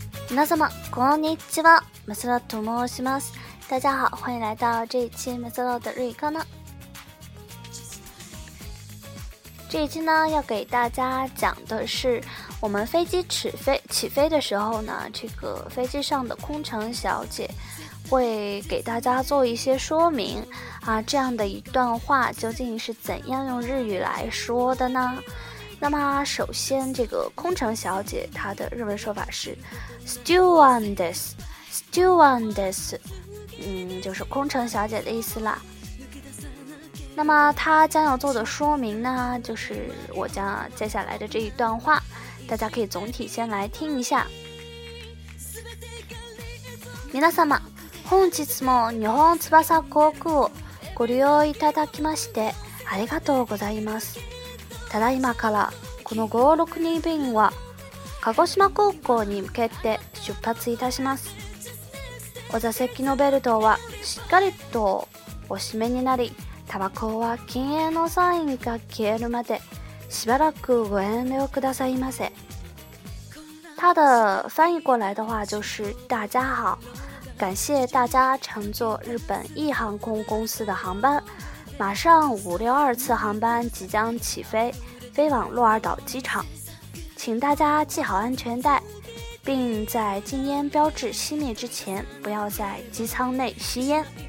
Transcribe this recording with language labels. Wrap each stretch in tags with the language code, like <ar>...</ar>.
<ja>皆様こんにちは、マサロと申します。</ja> <zh>大家好，欢迎来到这一期マサロの日语课呢。这一期呢要给大家讲的是我们飞机起飞的时候呢，这个飞机上的空乘小姐会给大家做一些说明啊，这样的一段话究竟是怎样用日语来说的呢？那么首先这个空乘小姐她的日文说法是 stewardess， 就是空乘小姐的意思啦。那么她将要做的说明呢，就是我将接下来的这一段话，大家可以总体先来听一下。</zh> <ja>皆様、本日も日本翼航空をご利用いただきましてありがとうございます。ただいまからこの562便は鹿児島空港に向けて出発いたします。お座席のベルトはしっかりとお締めになり、タバコは禁煙のサインが消えるまでしばらくご遠慮くださいませ。</ja> <zh>他的翻译过来的话就是，大家好，感谢大家乘坐日本翼航空公司的航班，马上562次航班即将起飞，飞往鹿儿岛机场，请大家系好安全带，并在禁烟标志熄灭之前不要在机舱内吸烟。</zh>